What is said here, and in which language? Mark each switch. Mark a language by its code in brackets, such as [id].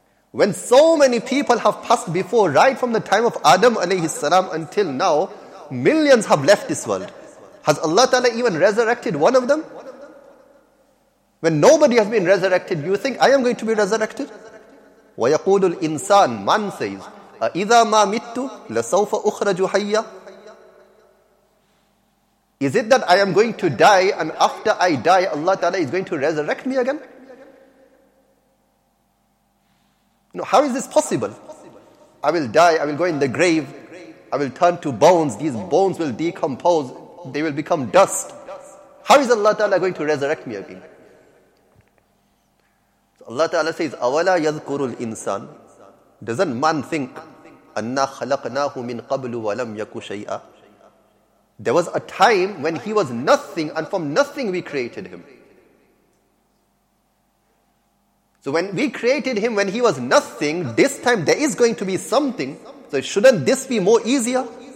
[en] When so many people have passed before, right from the time of Adam alayhi salam until now, millions have left this world. Has Allah Ta'ala even resurrected one of them? When nobody has been resurrected, you think I am going to be resurrected? [ar] وَيَقُولُ الْإِنسَانُ, [en] man says, [ar] أَإِذَا مَا مِتُّ لَسَوْفَ أُخْرَجُ حَيَّا. [en] Is it that I am going to die and after I die, Allah Ta'ala is going to resurrect me again? No, how is this possible? I will die, I will go in the grave, I will turn to bones, these bones will decompose, they will become dust. How is Allah Ta'ala going to resurrect me again? So Allah Ta'ala says, [ar] أَوَلَا يَذْكُرُ الْإِنسَانِ. [en] Doesn't man think, [ar] أَنَّا خَلَقْنَاهُ مِنْ قَبْلُ وَلَمْ يَكُ شَيْئًا. [en] There was a time when he was nothing, and from nothing we created him. So when we created him, when he was nothing, this time there is going to be something. So shouldn't this be more easier?